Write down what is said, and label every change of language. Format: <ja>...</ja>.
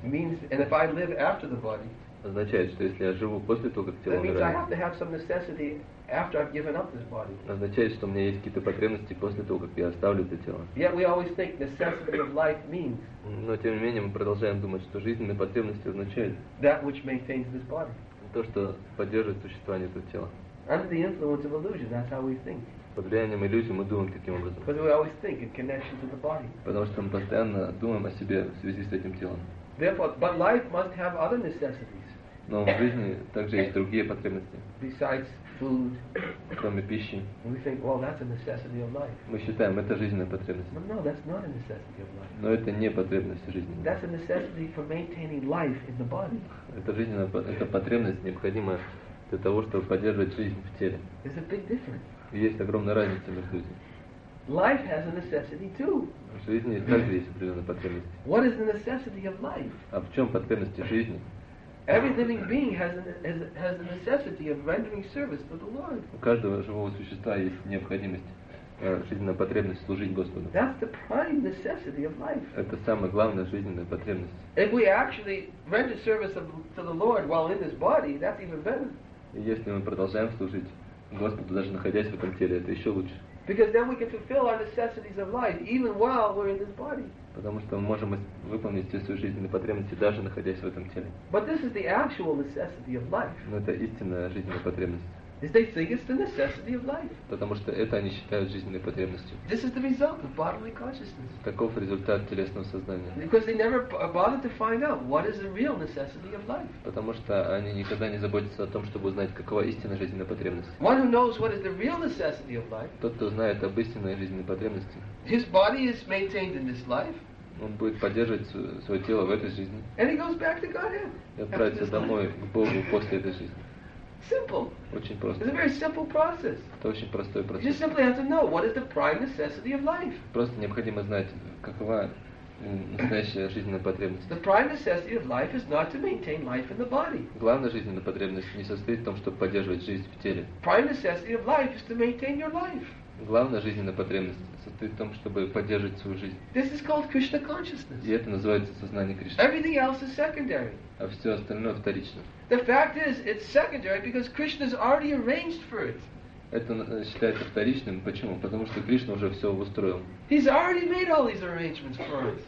<en>Means, and if I live after the body,</en> <ru>означает, что если я живу после того, как тело умирает,</ru> <en>that means I have to have some necessity after I've given up this body.</en> <ru>Означает, что у меня есть какие-то потребности после того, как я оставлю это тело.</ru> <en>Yet we always think necessity of life means.</en> <ru>Но тем не менее мы продолжаем думать, что жизненные потребности означают</ru> <en>that which maintains this body.</en> <ru>То, что поддерживает существование этого тела.</ru> <en>Under the influence of illusion, that's how we think.</en> <ru>Под влиянием иллюзий мы думаем таким образом.</ru> <en>Because we always think in connection to the body.</en> <ru>Потому что мы постоянно думаем о себе в связи с этим телом.</ru> <en>Therefore, but life must have other necessities.</en> <ru>Но в жизни также есть другие потребности.</ru> <en>Besides food.</en> <ru>Кроме пищи.</ru> <en>We think, well, that's a necessity of life.</en> <ru>Мы считаем, это жизненная потребность.</ru> <en>But no, that's not a necessity of life.</en> <ru>Но это не потребность жизни.</ru> <en>That's a necessity for maintaining life in the body.</en> <ru>Это жизненная, это потребность, необходимая для того, чтобы поддерживать жизнь в теле.</ru> <en>There's a big difference.</en> <ru>Есть огромная разница между этим.</ru> <en>Life has a necessity too.</en> <ru>В жизни также есть определенные потребности.</ru> <en>What is the necessity of life?</en> <ru>А в чем потребности жизни?</ru> <en>Every living being has the necessity of rendering service to the Lord.</en> <ru>У каждого живого существа есть необходимость, жизненная потребность служить Господу.</ru> <en>That's the prime necessity of life.</en> <ru>Это самая главная жизненная потребность.</ru> <en>If we actually render service to the Lord while in this body, that's even better.</en> <ru>И если мы продолжаем служить Господу, даже находясь в этом теле, это еще лучше.</ru> <en>Because then we can fulfill our necessities of life even while we're in this body.</en> <ru>Потому что мы можем выполнить все свои жизненные потребности, даже находясь в этом теле.</ru> <en>But this is the actual necessity of life.</en> <ru>Но это истинная жизненная потребность.</ru> <en>Is they think it's the necessity of life.</en> <ru>Потому что это они считают жизненной потребностью.</ru> <en>This is the result of bodily consciousness.</en> <ru>Таков результат телесного сознания.</ru> <en>Because they never bothered to find out what is the real necessity of life.</en> <ru>Потому что они никогда не заботятся о том, чтобы узнать, какова истинная жизненная потребность.</ru> <en>One who knows what is the real necessity of life.</en> <ru>Тот, кто знает об истинной жизненной потребности.</ru> <en>His body is maintained in this life.</en> <ru>Он будет поддерживать свое тело в этой жизни.</ru> <en>And he goes back to Godhead.</en> <ru>И отправится домой к Богу после этой жизни.</ru> <en>Simple.</en> <ru>Очень просто.</ru> <en>It's a very simple process.</en> <ru>Это очень простой процесс.</ru> <en>You just simply have to know what is the prime necessity of life.</en> <ru>Просто необходимо знать, какова настоящая жизненная потребность.</ru> <en>The prime necessity of life is not to maintain life in the body.</en> <ru>Главная жизненная потребность не состоит в том, чтобы поддерживать жизнь в теле.</ru> <en>Prime necessity of life is to maintain your life.</en> <ru>Главная жизненная потребность состоит в том, чтобы поддерживать свою жизнь.</ru> <en>This is called Krishna consciousness.</en> <ru>И это называется сознание Кришны.</ru> <en>Everything else is secondary.</en> <ru>А все остальное вторично.</ru> <en>The fact is, it's secondary because Krishna's already arranged for it.</en> <ru>Это считается вторичным. Почему? Потому что Кришна уже все устроил.</ru> <en>He's already made all these arrangements for us.</en>